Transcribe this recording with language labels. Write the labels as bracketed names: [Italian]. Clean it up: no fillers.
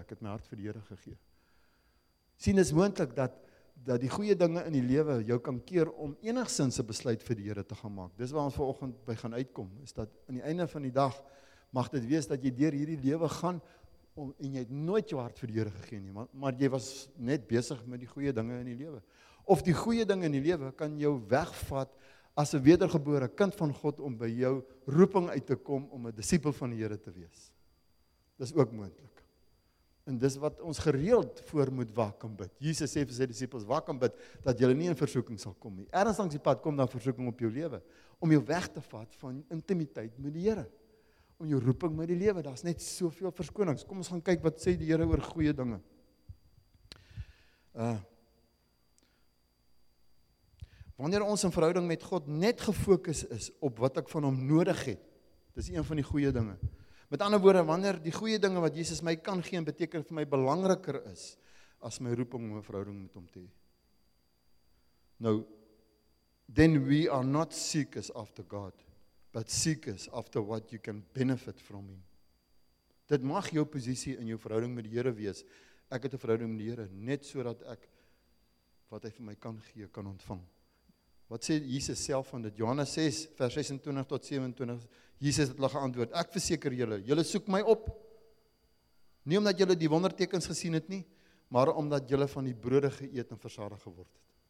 [Afrikaans] Ek het my hart vir die Here gegee. Sien, is moontlik dat die goeie dinge in die lewe jou kan keer om enigsins 'n besluit vir die Here te gaan maak. Dis waar ons vanoggend by gaan uitkom, is dat aan die einde van die dag mag dit wees dat jy deur hierdie lewe gaan en jy het nooit jou hart vir die Here gegee nie, maar jy was net besig met die goeie dinge in die lewe. Of die goeie dinge in die lewe kan jou wegvat as 'n wedergebore kind van God om by jou roeping uit te kom om 'n disipel van die Here te wees. Dis ook moontlik. En dis wat ons gereeld voor moet wak en bid. Jesus sê vir sy disippels, wak en bid, dat julle nie in versoeking sal kom nie. Ergens langs die pad kom daar versoeking op jou lewe, om jou weg te vat van intimiteit met die Here, om jou roeping met die lewe, daar's net soveel verskonings. Kom ons gaan kyk wat sê die Here oor goeie dinge. Wanneer ons in verhouding met God net gefokus is op wat ek van hom nodig het, dis een van die goeie dinge. Met ander woorde, wanneer die goeie dinge wat Jesus my kan gee en beteken vir my belangriker is as my roeping om 'n verhouding met hom te hê. Nou, [English] then we are not seekers after God, but seekers after what you can benefit from him. [Afrikaans] Dit mag jou posisie in jou verhouding met die Here wees. Ek het 'n verhouding met die Here net sodat ek wat hy vir my kan gee, kan ontvang. Wat sê Jesus self van dit? Johannes 6 vers 26 tot 27. Jesus het hulle geantwoord: Ek verseker julle, julle soek my op nie omdat julle die wondertekens gesien het nie, maar omdat julle van die brode geëet en versadig geword het.